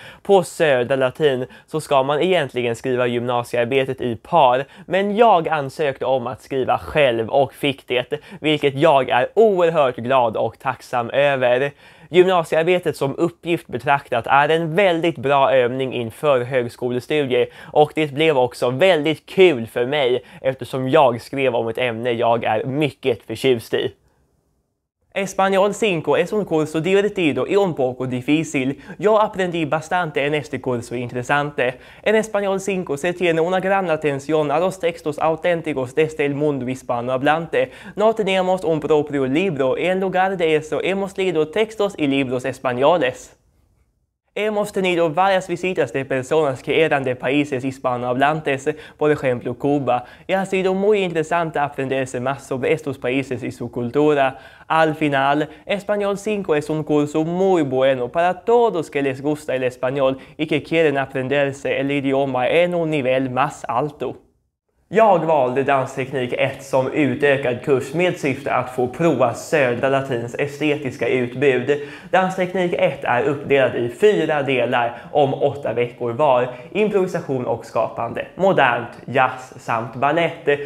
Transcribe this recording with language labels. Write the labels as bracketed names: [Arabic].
[Swedish] På Södra Latin så ska man egentligen skriva gymnasiearbetet i par, men jag ansökte om att skriva själv och fick det, vilket jag är oerhört glad och tacksam över. Gymnasiearbetet som uppgift betraktat är en väldigt bra övning inför högskolestudier, och det blev också väldigt kul för mig eftersom jag skrev om ett ämne jag är mycket förtjust i. [Spanish] Español 5 es un curso divertido y un poco difícil. Yo aprendí bastante en este curso interesante. En Español 5 se tiene una gran atención a los textos auténticos desde el mundo hispanohablante. No tenemos un propio libro, en lugar de eso hemos leído textos y libros españoles. Hemos tenido varias visitas de personas que eran de países hispanohablantes, por ejemplo Cuba, y ha sido muy interesante aprenderse más sobre estos países y su cultura. Al final, Español 5 es un curso muy bueno para todos que les gusta el español y que quieren aprenderse el idioma en un nivel más alto. [Swedish] Jag valde dansteknik 1 som utökad kurs med syfte att få prova Södra Latins estetiska utbud. Dansteknik 1 är uppdelad i 4 delar om 8 veckor var. Improvisation och skapande, modernt, jazz samt ballett.